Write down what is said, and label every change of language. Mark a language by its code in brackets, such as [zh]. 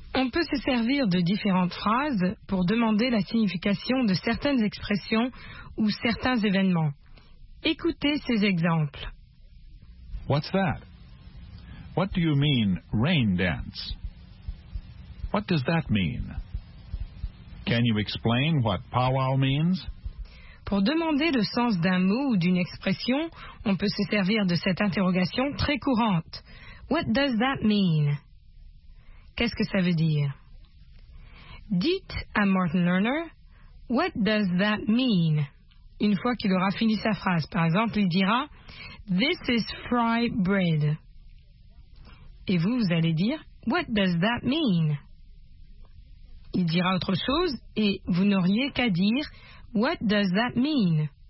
[fr] peut se servir de différentes phrases pour demander la signification de certaines expressions ou certains événements. Écoutez ces exemples. [en] What's that? What do you mean, rain dance? What does that mean? Can you explain what powwow means? [fr] Pour demander le sens d'un mot ou d'une expression, on peut se servir de cette interrogation très courante. [en] What does that mean? [fr] Qu'est-ce que ça veut dire? Dites à Martin Lerner, [en] What does that mean? [fr] Une fois qu'il aura fini sa phrase, par exemple, il dira, [en] This is fry bread. [fr] Et vous, vous allez dire, [en] What does that mean? [fr] Il dira autre chose et vous n'auriez qu'à dire, [en] What does that mean?